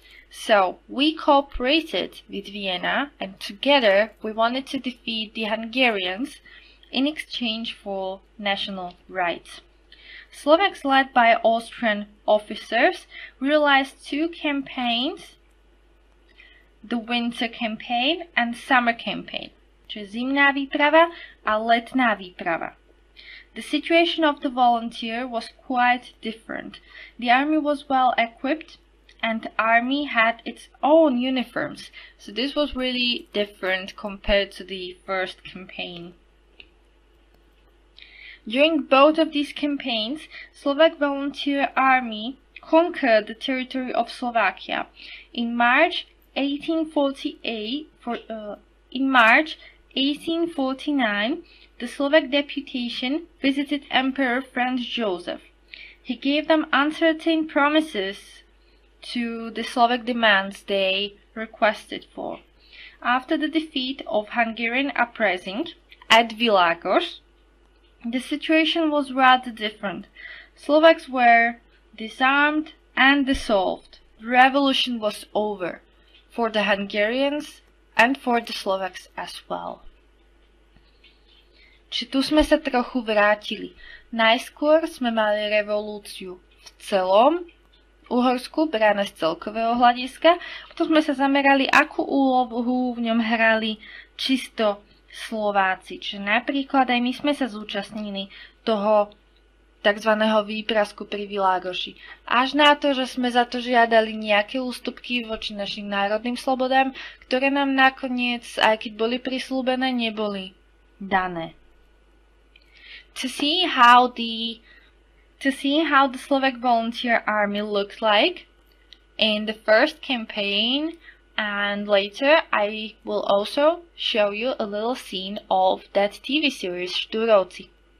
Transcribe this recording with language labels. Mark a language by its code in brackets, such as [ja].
[en] So, we cooperated with Vienna, and together we wanted to defeat the Hungarians in exchange for national rights. Slovaks, led by Austrian officers, realized two campaigns, the winter campaign and summer campaign. [sk] Zimná výprava a letná výprava. [en] The situation of the volunteer was quite different. The army was well equipped, and the army had its own uniforms. So this was really different compared to the first campaign. During both of these campaigns, Slovak volunteer army conquered the territory of Slovakia. In March 1849, the Slovak deputation visited Emperor Franz Joseph. He gave them uncertain promises to the Slovak demands they requested for. After the defeat of Hungarian uprising at Világos, the situation was rather different. Slovaks were disarmed and dissolved. The revolution was over for the Hungarians and for the Slovaks as well. [sk] Či tu sme sa trochu vrátili. Najskôr sme mali revolúciu v celom Uhorsku, brané z celkového hľadiska, potom sme sa zamerali, akú úlohu v ňom hrali čisto Slováci. Čiže napríklad aj my sme sa zúčastnili toho tzv. Výprasku pri Világoši. Až na to, že sme za to žiadali nejaké ústupky voči našim národným slobodám, ktoré nám nakoniec, aj keď boli prisľúbené, neboli dané. [en] To see how the Slovak Volunteer Army looked like in the first campaign, and later I will also show you a little scene of that TV series Štúrovci.